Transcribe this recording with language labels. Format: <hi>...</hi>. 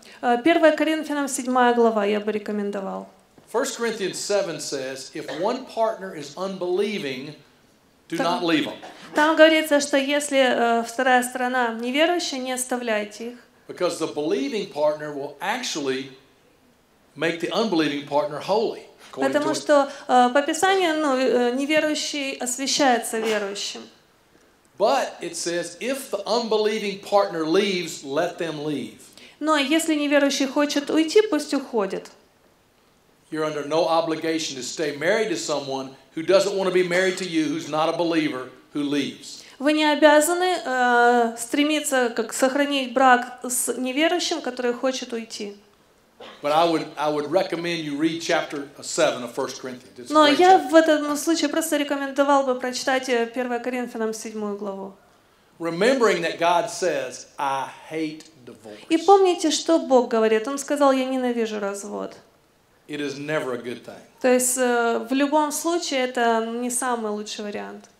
<ru>1 Коринфянам 7 глава я бы рекомендовал.</ru> <en>1 Corinthians 7 says, if one partner is unbelieving, do not leave them.</en> <ru>Там говорится, что если вторая сторона неверующая, не оставляйте их.</ru> <en>Because the believing partner will actually make the unbelieving partner holy.</en> <ru>Потому что по Писанию, неверующий освящается верующим.</ru> <en>But it says, if the unbelieving partner leaves, let them leave.</en> <ru>Но если неверующий хочет уйти, пусть уходит.</ru> <en>You're under no obligation to stay married to someone who doesn't want to be married to you, who's not a believer, who leaves.</en> <ru>Вы не обязаны стремиться как сохранить брак с неверующим, который хочет уйти.</ru> <en>But I would recommend you read chapter 7 of 1 Corinthians. It's</en> <ru>Но я</ru> <en>chapter.</en> <ru>В этом случае просто рекомендовал бы прочитать 1 Коринфянам 7 главу.</ru> <en>Remembering that God says, I hate divorce.</en> <ru>И помните, что Бог говорит. Он сказал, я ненавижу развод.</ru> <en>It is never a good thing.</en> <ru>То есть в любом случае это не самый лучший вариант.</ru>